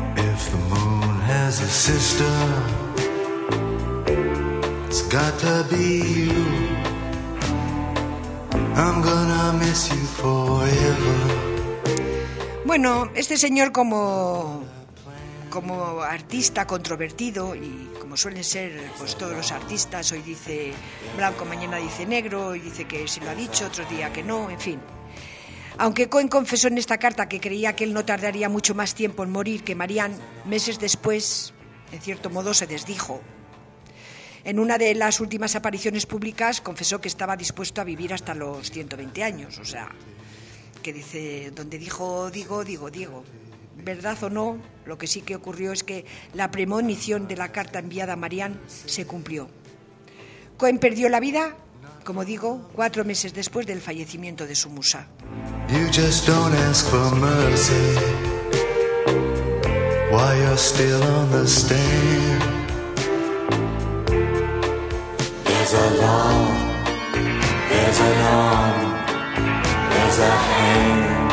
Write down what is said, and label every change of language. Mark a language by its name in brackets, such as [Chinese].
[English] If the moon has a sister, it's gotta be you. I'm gonna miss you forever. [Spanish] Bueno, este señor como artista controvertido y como suelen ser pues todos los artistas, hoy dice blanco, mañana dice negro, y dice que sí lo ha dicho, otro día que no, en fin. Aunque Cohen confesó en esta carta que creía que él no tardaría mucho más tiempo en morir que Marianne, meses después, en cierto modo, se desdijo. En una de las últimas apariciones públicas, confesó que estaba dispuesto a vivir hasta los 120 años. O sea, que dice, donde dijo, digo. verdad o no, lo que sí que ocurrió es que la premonición de la carta enviada a Marianne se cumplió. Cohen perdió la vida, como digo, 4 meses después del fallecimiento de su musa. [English] You just don't ask for mercy while you're still on the stand. There's a law, there's an arm, there's a hand.